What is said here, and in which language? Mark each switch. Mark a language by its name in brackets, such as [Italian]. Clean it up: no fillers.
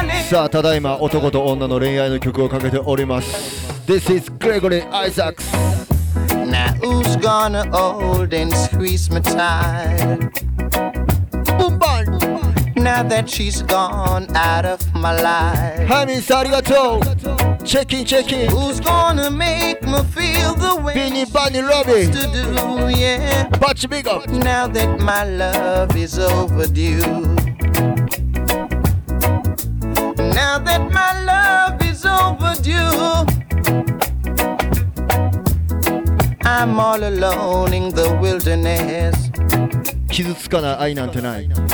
[Japanese] さあただいま男と女の恋愛の曲をかけております。 [English] This is Gregory Isaacs。 Now who's gonna hold and squeeze me tight? Boom, bang. Now that she's gone out of my life. [Japanese] ハミンさんありがとう。 [English] チェキンチェキン。 Who's gonna make me feel the way ビニバニラビ used to do, yeah. バッチビゴ。 Now that my love is overdueNow that my love is overdue, I'm all alone in the wilderness. [Japanese] 傷つかない愛なんてない。